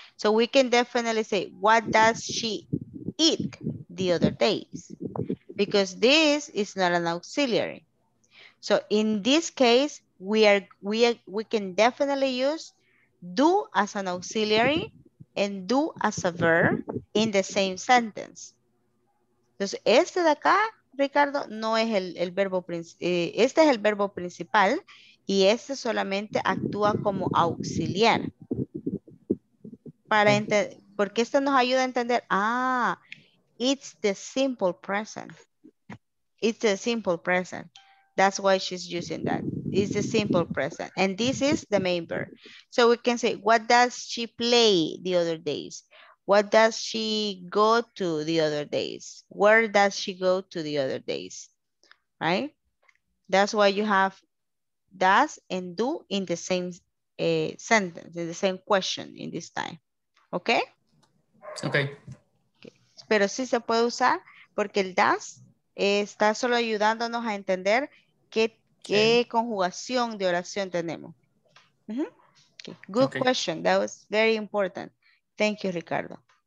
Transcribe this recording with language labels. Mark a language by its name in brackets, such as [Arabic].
[English] So we can definitely say, what does she eat the other days? Because this is not an auxiliary. So in this case, we can definitely use do as an auxiliary and do as a verb in the same sentence. [Spanish] Entonces, este de acá, Ricardo, no es el verbo principal. Este es el verbo principal y este solamente actúa como auxiliar. Para porque esto nos ayuda a entender, [English] it's the simple present. It's the simple present. That's why she's using that. It's the simple present. And this is the main verb. So we can say, what does she play the other days? What does she go to the other days? Where does she go to the other days? Right? That's why you have does and do in the same sentence, in the same question in this time. Okay? Okay. Okay. [Spanish] Pero sí se puede usar porque el does está solo ayudándonos a entender qué conjugación de oración tenemos. [English] Mm-hmm. Okay. Good okay. question. That was very important. Thank you, Ricardo.